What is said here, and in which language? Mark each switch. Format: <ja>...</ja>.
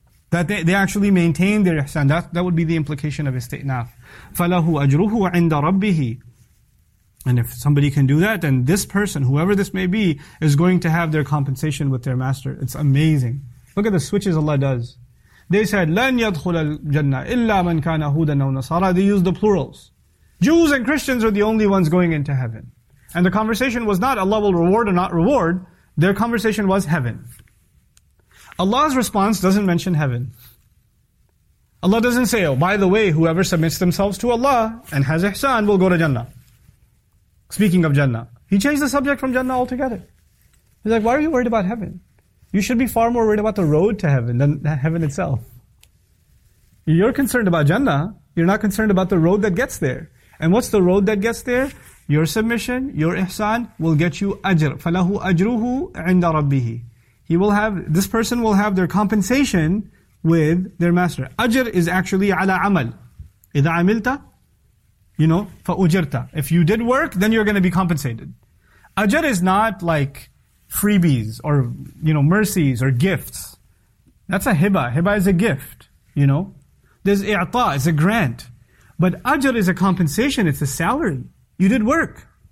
<en>That they actually maintained their ihsan. That would be the implication of isti'naf.</en> <ar>فَلَهُ أَجْرُهُ عِنْدَ رَبِّهِ.</ar> <en>And if somebody can do that, then this person, whoever this may be, is going to have their compensation with their master. It's amazing. Look at the switches Allah does. They said,</en> <ar>لَنْ يَدْخُلَ الْجَنَّةِ إِلَّا مَنْ كَانَ هُودًا أَوْ نَصَارَى.</ar> <en>They use the plurals. Jews and Christians are the only ones going into heaven. And the conversation was not Allah will reward or not reward. Their conversation was heaven. Allah's response doesn't mention heaven. Allah doesn't say, oh, by the way, whoever submits themselves to Allah and has ihsan will go to Jannah. Speaking of Jannah, He changed the subject from Jannah altogether. He's like, why are you worried about heaven? You should be far more worried about the road to heaven than heaven itself. You're concerned about Jannah. You're not concerned about the road that gets there. And what's the road that gets there? Your submission, your ihsan will get you ajr.</en> <ar>فَلَهُ أَجْرُهُ عِنْدَ رَبِّهِ.</ar> <en>He will have, this person will have their compensation with their master. Ajr is actually</en> <ar>عَلَى عَمَل. إِذَا عَمِلْتَ,</ar> <en>you know,</en> <ar>فَأُجِرْتَ.</ar> <en>If you did work, then you're going to be compensated. Ajr is not like freebies or, you know, mercies or gifts. That's a hibah. Hibah is a gift, you know. There's i'ta, it's a grant. But ajr is a compensation, it's a salary. You did work.</en>